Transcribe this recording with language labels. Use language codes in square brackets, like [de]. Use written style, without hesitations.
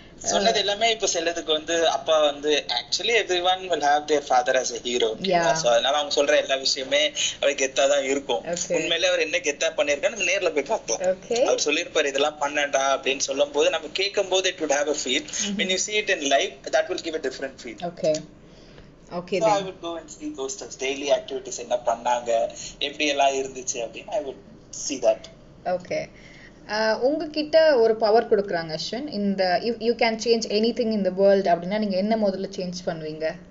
[ta] சொன்னது எல்லாமே இப்ப செல்லதுக்கு வந்து அப்பா வந்து [en] Actually everyone will have their father as a hero. [ta] So அதனால அவங்க சொல்ற எல்லா விஷயமே அவர் கெத்தா தான் இருக்கும். உண்மையிலே அவர் என்ன கெத்தா பண்ணிருக்கான்னு நேர்ல போய் பார்ப்போம். அவர் சொல்லியிருப்பாரு இதெல்லாம் பண்ணண்டா அப்படின்னு சொல்லும் போது நம்ம கேட்கும் போது [en] it would have a feel. When you see it in life, that will give a different feel. Okay, so then. I would go and see those stuff, daily activities, [ta] என்ன பண்ணாங்க எப்படி எல்லாம் இருந்துச்சு அப்படின்னு [en] I would see that. Okay. [ta] உங்ககிட்ட ஒரு power கொடுக்குறாங்க அஸ்வின், இந்த [en] you can change anything in the world [ta] அப்படின்னா நீங்க என்ன முதல்ல சேஞ்ச் பண்ணுவீங்க?